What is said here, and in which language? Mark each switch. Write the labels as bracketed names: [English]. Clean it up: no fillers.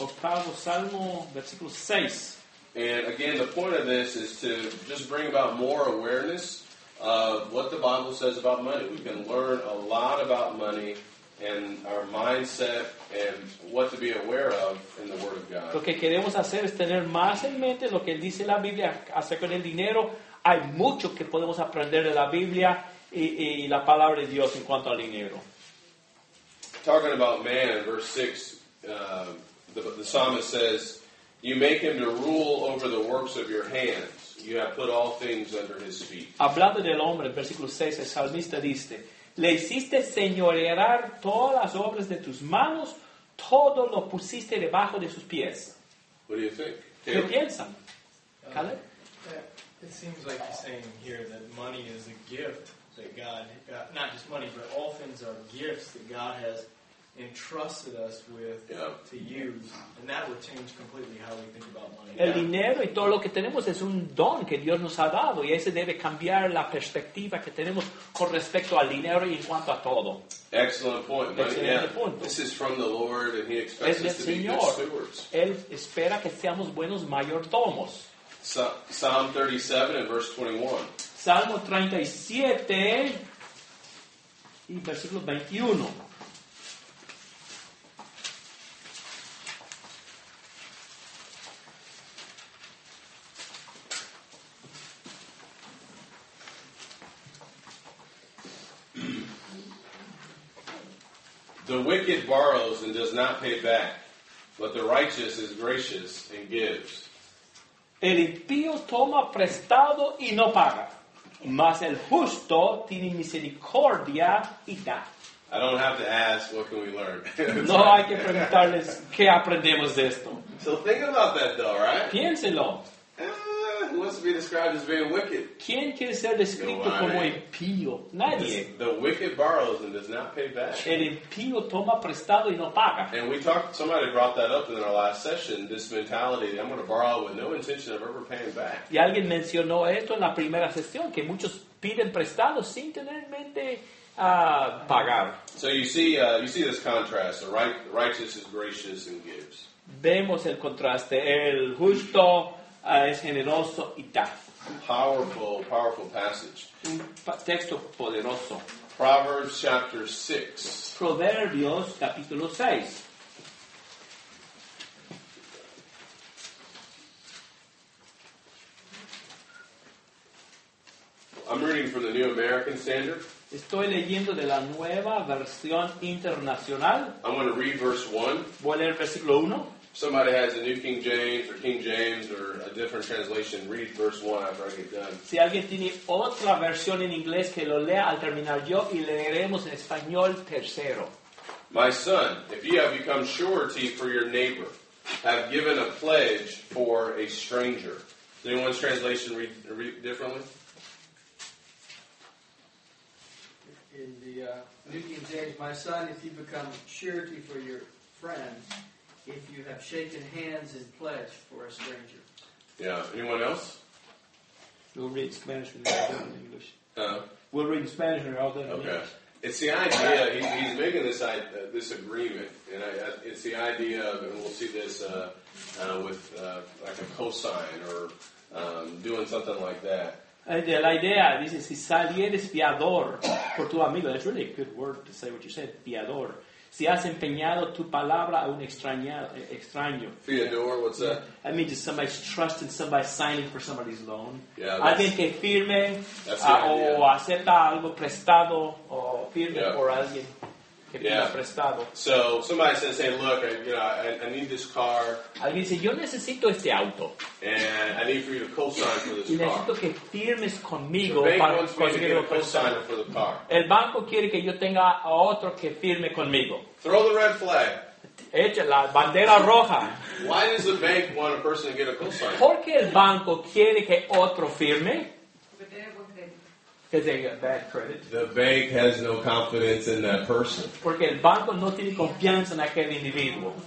[Spanish] Octavo Salmo, versículo 6. [English] And again, the point of this is to just bring about more awareness of what the Bible says about money. We can learn a lot about money and our mindset and what to be aware of in the Word of God. [Spanish] Lo que queremos hacer es tener más en mente lo que dice la Biblia acerca del dinero. Hay mucho que podemos aprender de la Biblia y la palabra de Dios en cuanto al dinero. [English] Talking about man in verse 6, the psalmist says, "You make him to rule over the works of your hands. You have put all things under his feet." [Spanish] Hablando del hombre, en versículo 6, el salmista dice, "Le hiciste señorear todas las obras de tus manos, todo lo pusiste debajo de sus pies." [English] What do you think? [Spanish] ¿Qué piensan? Caleb? [English] It seems like he's saying here that money is a gift that God, not just money, but all things are gifts that God has entrusted us with to use. And that would change completely how we think about money. [Spanish] El dinero y todo lo que tenemos es un don que Dios nos ha dado. Y ese debe cambiar la perspectiva que tenemos con respecto al dinero y en cuanto a todo. [English] Excellent point. [Spanish] Excelente punto. [English] This is from the Lord and he expects us to [Spanish] Señor. [English] Be good stewards. [Spanish] Él espera que seamos buenos mayordomos. [English] Psalm 37 and verse 21. [Spanish] Salmo 37 y versículo 21. [English] The wicked borrows and does not pay back, but the righteous is gracious and gives. [Spanish] El impío toma prestado y no paga, mas el justo tiene misericordia y da. [English] I don't have to ask, what can we learn? [Spanish] No hay que preguntarles qué aprendemos de esto. [English] So think about that though, right? [Spanish] Piénselo. [English] Who wants to be described as being wicked? [Spanish] ¿Quién quiere ser descrito como impío? Nadie. [English] The wicked borrows and does not pay back. [Spanish] El impío toma prestado y no paga. [English] And we talked, somebody brought that up in our last session, this mentality that I'm going to borrow with no intention of ever paying back. [Spanish] Y alguien mencionó esto en la primera sesión, que muchos piden prestado sin tener en mente pagar. [English] So you see this contrast, the righteous is gracious and gives. [Spanish] Vemos el contraste, el justo es generoso y da. [English] Powerful, powerful passage. [Spanish] Un texto poderoso. [English] Proverbs chapter 6. [Spanish] Proverbios capítulo 6. [English] I'm reading from the New American Standard. [Spanish] Estoy leyendo de la nueva versión internacional. [English] I'm going to read verse 1. [Spanish] Voy a leer el versículo 1. [English] Somebody has a New King James or King James or a different translation, read verse 1 after I get done. [Spanish] Si alguien tiene otra versión en inglés, que lo lea al terminar yo y leeremos en español tercero. [English] My son, if you have become surety for your neighbor, have given a pledge for a stranger. Does anyone's translation read differently? In the New King James, my son, if you become surety for your friend, if you have shaken hands in pledge for a stranger. Yeah. Anyone else? We'll read Spanish and other in English. We'll read Spanish and other in English. Okay. It's the idea. He's making this agreement, and it's the idea of, and we'll see this with like a cosign or doing something like that. [Spanish] La idea dice si salieres fiador por tu amigo. [English] That's really a good word to say what you said, fiador. [Spanish] Si has empeñado tu palabra a un extraño. [English] Fiador, what's that? That means somebody's trusting somebody, signing for somebody's loan. Yeah, [Spanish] alguien que firme o acepta algo prestado o firme por alguien que pida prestado. [English] So somebody says, "Hey, look, I need this car." [Spanish] Alguien dice, "Yo necesito este auto." [English] And I need for you to co-sign for this car. [Spanish] Necesito que firmes conmigo para conseguir el [English] co-signer for the car. [Spanish] El banco quiere que yo tenga a otro que firme conmigo. [English] Throw the red flag. [Spanish] Echa la bandera roja. [English] Why does the bank want a person to get a co-signer? [Spanish] ¿Por qué el banco quiere que otro firme? [English] Because they got bad credit. The bank has no confidence in that person. [Spanish] Porque el banco no tiene confianza en aquel individuo.